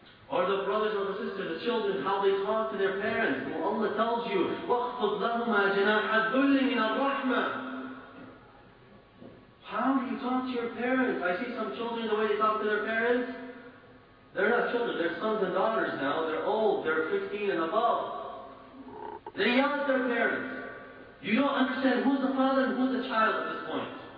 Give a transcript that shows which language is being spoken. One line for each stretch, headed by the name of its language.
English: Or the brothers or the sisters, the children, how they talk to their parents. Well, Allah tells you,
Arabic: وَاخْفُضْ لَهُمَا جَنَاحَ الذُّلِّ مِنَ الرَّحْمَةِ.
English: How do you talk to your parents? I see some children, the way they talk to their parents, they're not children, they're sons and daughters now, they're old, they're 15 and above. They yell at their parents. You don't understand who's the father and who's the child at this point.